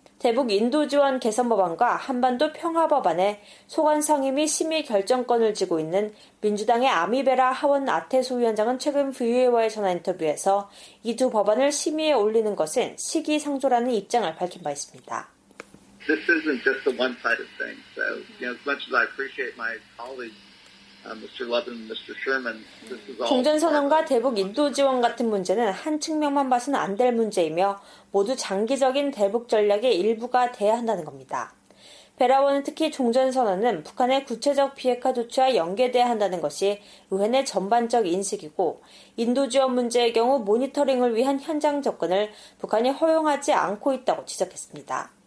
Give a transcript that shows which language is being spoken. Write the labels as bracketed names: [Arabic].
[Korean] 대북 인도 지원 개선 법안과 한반도 평화 법안에 소관 상임위 심의 결정권을 쥐고 있는 민주당의 아미베라 하원 아테소 위원장은 최근 VOA와의 전화 인터뷰에서 이 두 법안을 심의에 올리는 것은 시기상조라는 입장을 밝힌 바 있습니다. [English] This isn't just the one side of things. So, you know, as much as I appreciate my colleagues, Mr. Levin, Mr. Sherman, this is all. [Korean] 종전선언과 대북 인도 지원 같은 문제는 한 측면만 봐서는 안 될 문제이며 모두 장기적인 대북 전략의 일부가 돼야 한다는 겁니다. 베라원은 특히 종전선언은 북한의 구체적 비핵화 조치와 연계돼야 한다는 것이 의회 내 전반적 인식이고 인도 지원 문제의 경우 모니터링을 위한 현장 접근을 북한이 허용하지 않고 있다고 지적했습니다.